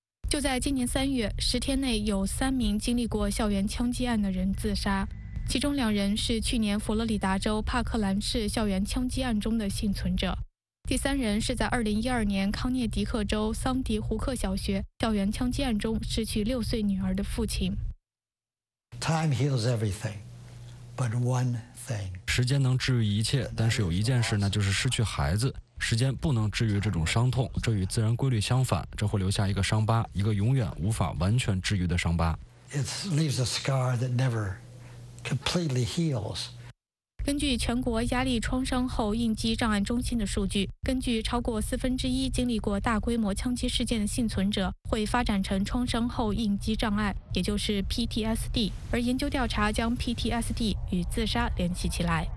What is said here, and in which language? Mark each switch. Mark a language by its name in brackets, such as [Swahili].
[Chinese] 就在今年3月，10天内有3名经历过校园枪击案的人自杀，其中2人是去年佛罗里达州帕克兰市校园枪击案中的幸存者，第3人是在2012年康涅狄克州桑迪胡克小学校园枪击案中失去6岁女儿的父亲。 [English] Time heals everything, but one thing. [Chinese] 时间能治愈一切，但是有一件事，那就是失去孩子。时间不能治愈这种伤痛，这与自然规律相反，这会留下一个伤疤，一个永远无法完全治愈的伤疤。 [English] It leaves a scar that never completely heals. [Chinese] 根据全国压力创伤后应激障碍中心的数据，根据超过1/4经历过大规模枪击事件的幸存者会发展成创伤后应激障碍，也就是 PTSD， 而研究调查将 PTSD 与自杀联系起来。